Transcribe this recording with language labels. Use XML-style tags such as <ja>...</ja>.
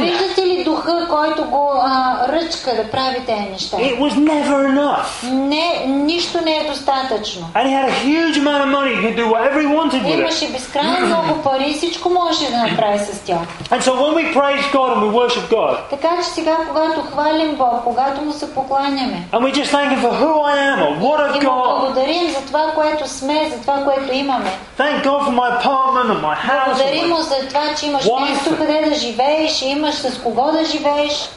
<bg>Виждате ли духа, който го ръчка да прави тези неща?</bg> <en>It was never enough.</en> <bg>Не, нищо не е достатъчно.</bg> <en>And he had a huge amount of money. He could do whatever he wanted with it.</en> <bg>Имаше безкрайно много пари, всичко можеше да направи с тях.</bg> <en>And so when we praise God and we worship God.</en> <bg>Така че сега, когато хвалим Бог, когато му се покланяме.</bg> <en>And we just thank Him for who I am or what I've got.</en> <bg>И благодарим за това, което сме, за това, което имаме.</bg> <en>Thank God for my apartment and my house.</en> <bg>Благодарим му за това, че имаш място, къде да живееш, и имаш с кого да живееш.</bg>